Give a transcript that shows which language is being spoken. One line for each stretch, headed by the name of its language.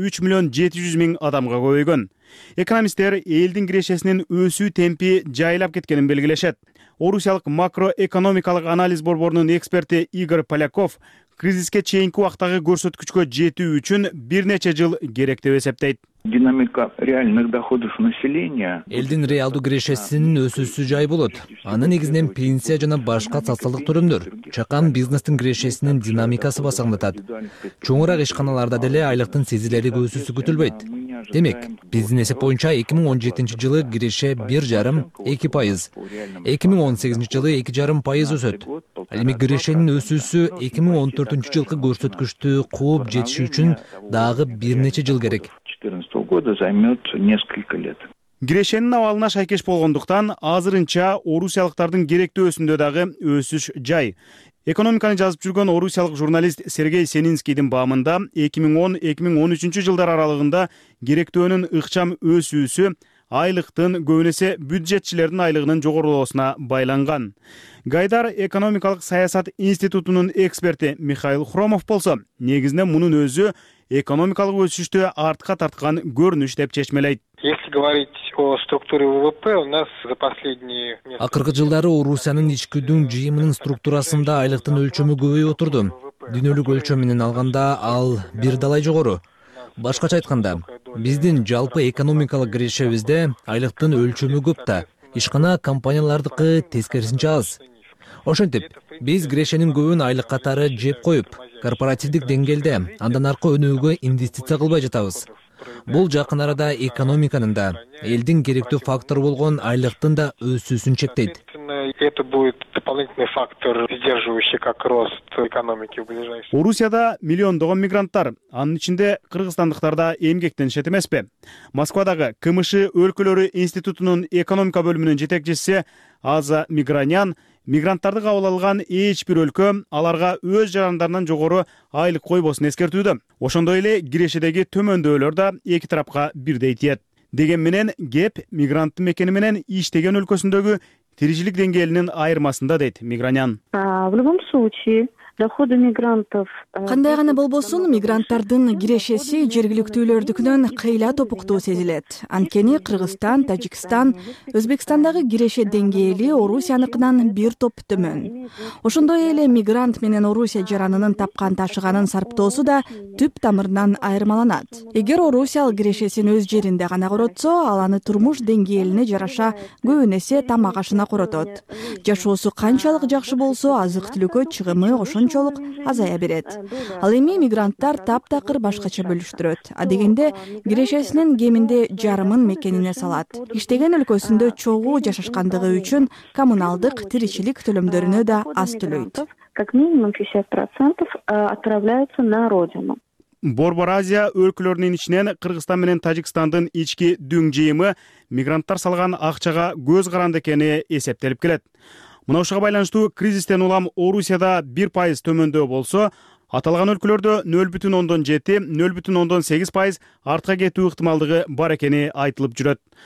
Kyrgyz: 3,700,000 адамга көбөйгөн. Экономисттер элдин кирешесинин өсүү темпи жайлап кеткенин белгилешет. Орусиялык макроэкономикалык анализ борборунун эксперти Игорь Поляков кризиске чейинки убакыттагы көрсөткүчкө жетүү үчүн бир нече жыл керек деп эсептейт.
Russian: Динамика реальных доходов населения.
Kyrgyz: Элдин реалдуу кирешесинин өсүүсү жай болот. Аны негизинен пенсия жана башка социалдык төлөмдөр, чакан бизнестин кирешесинин динамикасы басаңдатат. Чоңураак ишканаларда деле айлыктын сезилерлик өсүүсү күтүлбөйт. Демек, биздин эсеп боюнча 2017 жылы киреше 1,5-2%, 2018 жылы 2,5% өсөт. Ал эми кирешенин өсүүсү 2014 жылкы көрсөткүчтү кууп жетиши үчүн дагы бир нече жыл керек.
Russian: 2014 года займет несколько лет.
Kyrgyz: Кирешенин абалына шайкеш болгондуктан азырынча орусиялыктардын керектөөсүндө дагы өсүш жай. Экономиканы жазып жүргөн орусиялык журналист Сергей Сенинскийдин баамында 2010-2013 жылдар аралыгында керектөөнүн ыкчам өсүүсү айлыктын көбүнесе бюджетчилердин айлыгынын жогорулоосуна байланган. Гайдар экономикалык саясат институтунун эксперти Михаил Хромов болсо, негизинен мунун өзү экономикалык өсүштө артка тарткан көрүнүш деп чечмелейт.
Russian: Если говорить о структуре ВВП, у нас за последние
Kyrgyz: акыркы жылдары Орусиянын ичкүдүн жыйымынын структурасында айлыктын өлчөмү көбөйүп отурду. Дүйнөлүк өлчөм менен алганда ал бир далай жогору. Башкача айтканда, биздин жалпы экономикалык кирешебизде айлыктын өлчөмү көп да, ишкана компаниялардыкы тескерисинче аз. Ошентип, биз кирешенин көбүн айлык катары жеп коюп, корпоративдик деңгээлде андан аркы өнүгүүгө инвестиция кылбай жатабыз. Бул жакын арада экономиканын да, элдин керектүү фактору болгон айлыктын да өсүүсүн чектейт.
Russian: Это будет дополнительный фактор, сдерживающий как рост экономики в ближайшее.
Kyrgyz: Орусияда миллиондогон мигранттар, анын ичинде кыргызстандыктар да эмгектенишет эмеспи? Москвадагы КМШ өлкөлөрү институтунун экономика бөлүмүнүн жетекчиси Аза Мигранян мигранттарды кабыл алган эч бир өлкө аларга өз жарандарынан жогору айлык койбосун эскертүүдө. Ошондой эле кирешедеги төмөндөөлөр да эки тарапка бирдей тиет. Деген менен кеп мигранттын мекени менен иштеген өлкөсүндөгү тиричилик деңгээлинин айырмасында, дейт Мигранян.
Russian: В любом случае доходы мигрантов.
Kyrgyz: Кандай гана болбосун, мигранттардын кирешеси жергиликтүүлөрдүкүнөн кыйла топуктуу сезилет. Анткени Кыргызстан, Тажикстан, Өзбекстандагы киреше деңгээли Орусиянын бир топ төмөн. Ошондой эле мигрант менен Орусия жаранынын тапкан ташыганын сарптоосу да түп тамырынан айырмаланат. Эгер орусиялык кирешесин өз жеринде гана коротсо, ал аны турмуш деңгээлине жараша көбүнесе тамак ашына коротот. Жашоосу канчалык жакшы болсо, азык-түлүккө чыгымы ошончолук азая берет. Ал эми мигранттар таптакыр башкача бөлүштүрөт. А дегенде кирешесинин кеминде жарымын мекенине салат. Иштеген өлкөсүндө чогуу жашашкандыгы үчүн коммуналдык тиричилик төлөмдөрүнө да аз төлөйт.
Russian: Как минимум 50% отправляются на родину.
Kyrgyz: Борбор Азия өлкөлөрүнүн ичинен Кыргызстан менен Тажикстандын ички дүң жыйымы мигранттар салган акчага көз каранды экени эсептелип келет. Мына ушуга байланыштуу кризистен улам Орусияда 1% төмөндөө болсо, аталган өлкөлөрдө 0,7-0,8% артка кетүү ыктымалдыгы бар экени айтылып жүрөт.